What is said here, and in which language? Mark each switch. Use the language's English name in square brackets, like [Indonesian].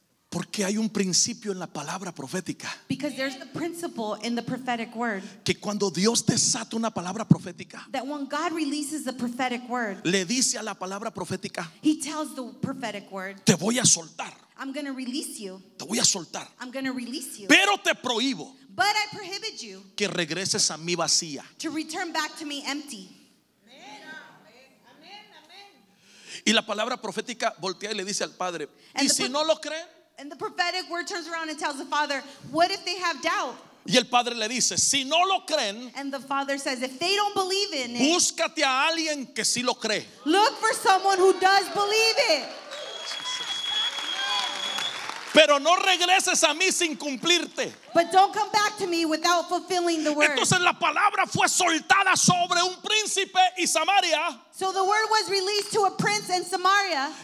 [Spanish] Porque hay un principio en la palabra profética. [English] Because there's the principle in the prophetic word. [Spanish] Que cuando Dios desata una palabra profética. [English] That when God releases the prophetic word. [Spanish] Le dice a la palabra profética. [English] He tells the prophetic word. [Spanish] Te voy a soltar. [English] I'm going to release you. [Spanish] Te voy a soltar. [English] I'm going to release you. [Spanish] Pero te prohíbo. [English] But I prohibit you. [Spanish] Que regreses a mí vacía. [English] To return back to me empty. [Spanish] Y la palabra profética voltea y le dice al padre, y si no lo creen. [English] And the prophetic word turns around and tells the father, what if they have doubt? [Spanish] Y el padre le dice, si no lo creen, [English] and the father says, if they don't believe in it, [Spanish] búscate a alguien que sí lo cree. [English] Look for someone who does believe it. [Spanish] Pero no regreses a mí sin cumplirte. [English] But don't come back to me without fulfilling the word. [Spanish] Entonces la palabra fue soltada sobre un príncipe y Samaria. [English] So the word was released to a prince in Samaria.